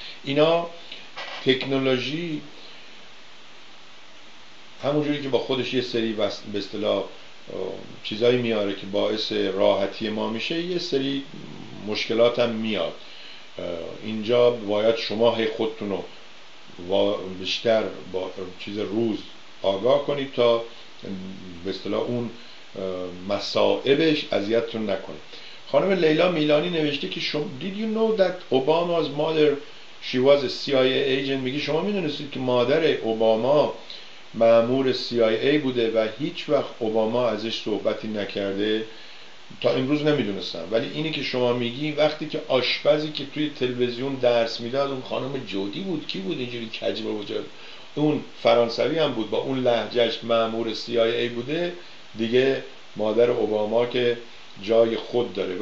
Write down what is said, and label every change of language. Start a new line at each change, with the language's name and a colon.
Persian: اینا تکنولوژی همونجوری که با خودش یه سری به اصطلاح چیزایی میاره که باعث راحتی ما میشه، یه سری مشکلات هم میاد. اینجا باید شما هی خودتونو بیشتر با چیز روز آگاه کنید تا به اصطلاح اون مسائبش اذیتتون نکنه. خانم لیلا میلانی نوشته که شما
English: did you know that Obama's mother she was a CIA agent.
Persian: میگه شما میدونستید که مادر اوباما مأمور CIA بوده و هیچ وقت اوباما ازش صحبتی نکرده؟ تا امروز نمیدونستم، ولی اینی که شما میگی، وقتی که آشپزی که توی تلویزیون درس میداد اون خانم جودی بود، کی بود اینجوری کجی بود، اون فرانسوی هم بود با اون لهجهش مأمور CIA بوده، دیگه مادر اوباما که جای خود داره.